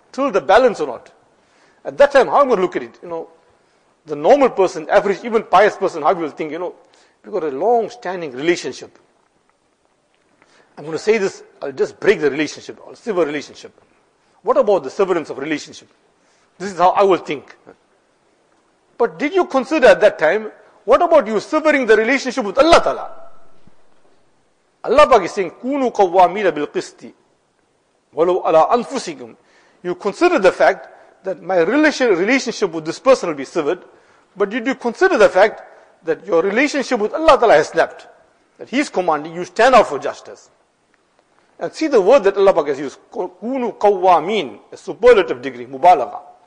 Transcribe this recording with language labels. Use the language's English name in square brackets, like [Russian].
[English] Tilt the balance or not? At that time, how am I going to look at it? You know, the normal person, average, even pious person, how will think, you know, we've got a long-standing relationship. I'm going to say this, I'll just break the relationship, or sever relationship. What about the severance of relationship? This is how I will think. But did you consider at that time, what about you severing the relationship with Allah Ta'ala? Allah Ta'ala is saying, [Arabic] كُونُوا قَوَّامِينَ بِالْقِسْطِ وَلَوْ عَلَىٰ أَنفُسِكُمْ. [English] You consider the fact that my relationship with this person will be severed, but did you consider the fact that your relationship with Allah Ta'ala has snapped, that He's commanding you stand out for justice? And see the word that Allah Ta'ala has used, [Arabic] كُونُوا قَوَّامِينَ, [English] a superlative degree, مُبَالَغَة.